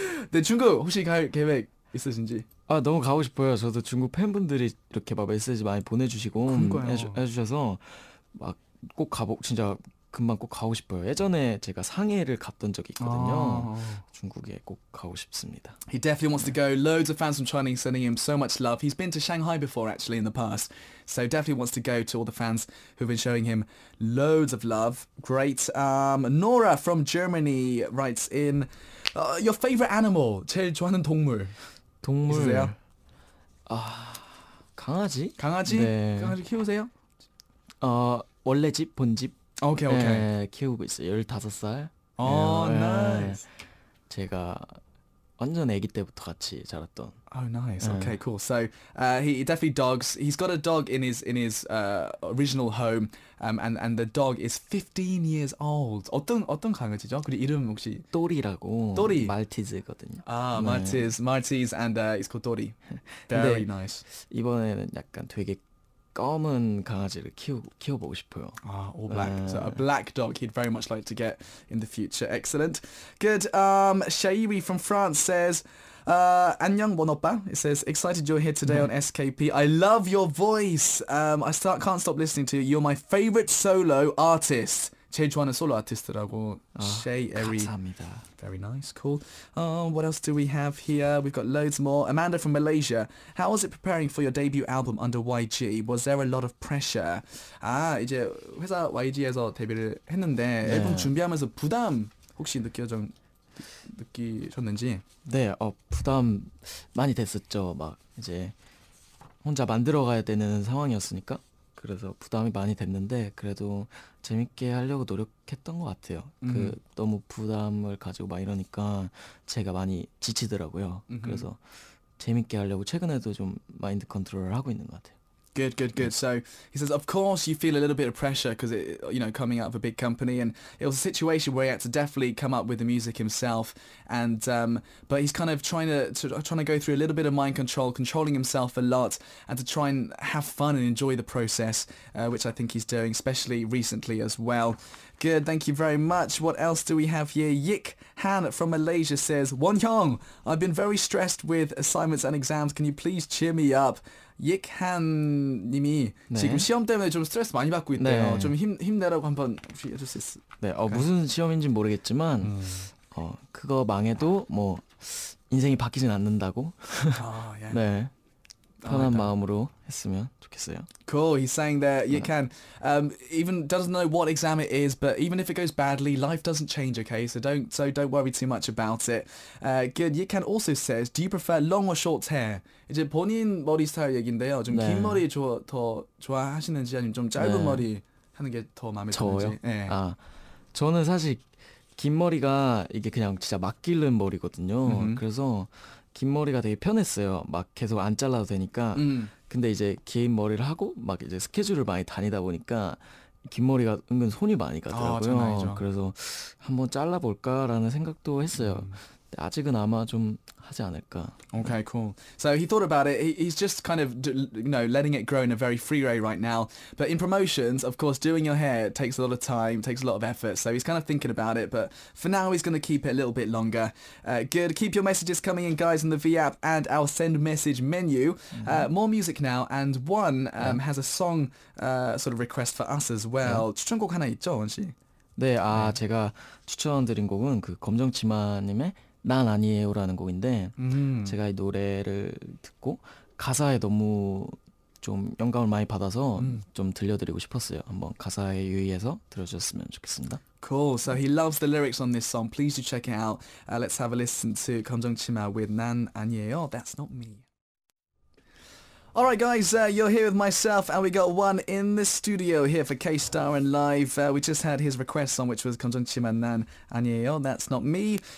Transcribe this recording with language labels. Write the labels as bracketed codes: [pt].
[ko] 네, 중국 혹시 갈 계획 있으신지? 아, 너무 가고 싶어요. 저도 중국 팬분들이 이렇게 막 메시지 많이 보내주시고 해주셔서 막 꼭 가보 진짜 금방 꼭 가고 싶어요. 예전에 제가 상해를 갔던 적이 있거든요. 중국에 꼭 가고 싶습니다. [en] He definitely wants to go. Loads of fans from China sending him so much love. He's been to Shanghai before actually in the past. So definitely wants to go to all the fans who've been showing him loads of love. Great. Nora from Germany writes in your favorite animal. [ko] 제일 좋아하는 동물. 동물. 있으세요? 아, 강아지? 강아지? 네. 강아지 키우세요? 원래 집 본 집 오케이 네, 키우고 있어요. 15살. 오, 네. 나이스. 제가 완전 아기 때부터 같이 자랐던. [en] Oh, nice. Yeah. Okay, cool. So, he definitely dogs. He's got a dog in his original home, and the dog is 15 years old. [ko] 어떤 강아지죠? 그리고 이름 혹시 또리라고. 또리. 말티즈거든요. 아, 네. [en] Maltese, and it's called 또리. Very nice. [ko] 이번에는 약간 되게 검은 강아지를 키워보고 싶어요. [en] Ah, all black. So a black dog he'd very much like to get in the future. Excellent. Good. Shaiwi from France says, [ko] 안녕, 원오빠. [en] It says, excited you're here today on SKP. I love your voice. I can't stop listening to you. You're my favorite solo artist. [ko] 제일 좋아하는 솔로 아티스트라고. Shaiwi. 감사합니다. [en] Very nice. Cool. What else do we have here? We've got loads more. Amanda from Malaysia. How was it preparing for your debut album under YG? Was there a lot of pressure? [ko] 아, 이제 회사 YG에서 데뷔를 했는데 네. 앨범 준비하면서 부담 혹시 느끼셨는지? 네. 부담 많이 됐었죠. 막 이제 혼자 만들어 가야 되는 상황이었으니까. 그래서 부담이 많이 됐는데 그래도 재밌게 하려고 노력했던 것 같아요. 그 너무 부담을 가지고 막 이러니까 제가 많이 지치더라고요. 그래서 재밌게 하려고 최근에도 좀 마인드 컨트롤을 하고 있는 것 같아요. [en] Good. So he says, of course you feel a little bit of pressure because it, you know, coming out of a big company, and it was a situation where he had to definitely come up with the music himself. And but he's kind of trying to go through a little bit of mind control, controlling himself a lot, and to try and have fun and enjoy the process, which I think he's doing, especially recently as well. Good, thank you very much. What else do we have here? Yik Han from Malaysia says, Wonhyung, I've been very stressed with assignments and exams. Can you please cheer me up? [ko] 익한님이 네. 지금 시험 때문에 좀 스트레스 많이 받고 있대요. 네. 좀 힘내라고 한번 혹시 해줄 수 있어? 네, 무슨 시험인지 모르겠지만 그거 망해도 뭐 인생이 바뀌진 않는다고. 네. 편한 마음으로 했으면 좋겠어요. [en] Cool. He's saying that you can. Even doesn't know what exam it is, but even if it goes badly, life doesn't change. Okay, so don't worry too much about it. Good. You can also says, do you prefer long or short hair? [ko] 이제 본인 머리 스타일 얘긴데요. 좀 긴 머리 더 좋아하시는지 아니면 좀 짧은 머리 하는 게 더 마음에 드는지. 저요. 네. 아, 저는 사실 긴 머리가 이게 그냥 진짜 막 기른 머리거든요. 그래서 긴 머리가 되게 편했어요. 막 계속 안 잘라도 되니까. 근데 이제 긴 머리를 하고 막 이제 스케줄을 많이 다니다 보니까 긴 머리가 은근 손이 많이 가더라고요. 그래서 한번 잘라볼까라는 생각도 했어요. 아직은 아마 좀 하지 않을까. [en] Okay, cool. So he thought about it. He's just kind of, you know, letting it grow in a very free way right now. But in promotions, of course, doing your hair takes a lot of time, takes a lot of effort. So he's kind of thinking about it. But for now, he's going to keep it a little bit longer. Good. Keep your messages coming in, guys, in the V app and our send message menu. More music now. And one has a song sort of request for us as well. [ko] 추천곡 하나 있죠, 원씨? 네, 아, 제가 추천드린 곡은 그 검정치마님의 난 아니에요라는 곡인데 제가 이 노래를 듣고 가사에 너무 좀 영감을 많이 받아서 좀 들려드리고 싶었어요. 한번 가사에 유의해서 들어주셨으면 좋겠습니다. [en] Cool. So he loves the lyrics on this song. Please do check it out. Let's have a listen to 검정치마 with 난 아니에요. That's not me. Alright guys, you're here with myself and we got one in the studio here for K-Star and Live. We just had his request on, which was 검정치마 난 아니에요, that's not me.